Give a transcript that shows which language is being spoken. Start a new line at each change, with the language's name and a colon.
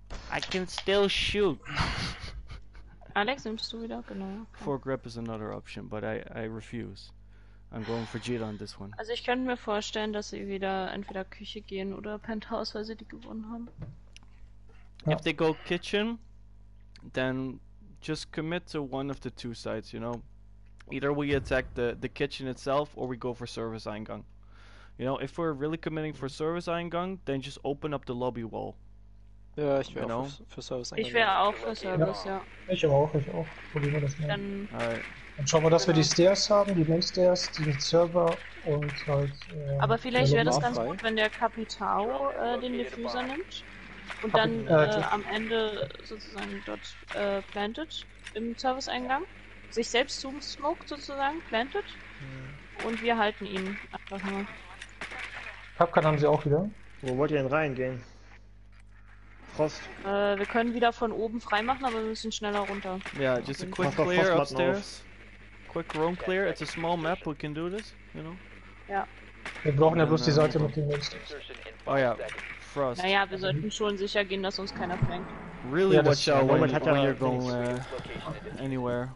English: I can still shoot.
German: Alex, nimmst du wieder? Genau.
English: Foregrip is another option, but I refuse. I'm going for Jira on this one.
German: Also ich könnte mir vorstellen, dass sie wieder entweder Küche gehen oder Penthouse, weil sie die gewonnen haben.
English: Yeah. If they go kitchen, then just commit to one of the two sides, you know. Either we attack the kitchen itself or we go for service Eingang. You know, if we're really committing for service Eingang, then just open up the lobby wall.
German: Ja, ich wäre auch für Service Eingang. Ich wäre auch für Service, ja. Ja. Ich auch. Probieren wir das mal. Dann schauen wir, dass wir die Stairs haben, die Main Stairs, die mit Server und halt. Aber vielleicht wäre das ganz gut, wenn der Capitao den Diffuser nimmt und dann am Ende sozusagen dort plantet im Service Eingang. Sich selbst zum Smoke sozusagen plantet. Ja. Und wir halten ihn einfach nur. Pubcut haben sie auch wieder. Wo wollt ihr denn reingehen? Frost. Wir können wieder von oben freimachen, aber wir müssen schneller runter.
English: Ja, yeah, just a quick clear upstairs. Quick room clear, it's a small map, we can do this, you know?
German: Ja. Wir brauchen ja bloß die Seite mit dem Monster. Oh ja, Frost. Naja, wir sollten schon sicher gehen, dass uns keiner fängt.
English: Really, yeah, watch out when you're going anywhere.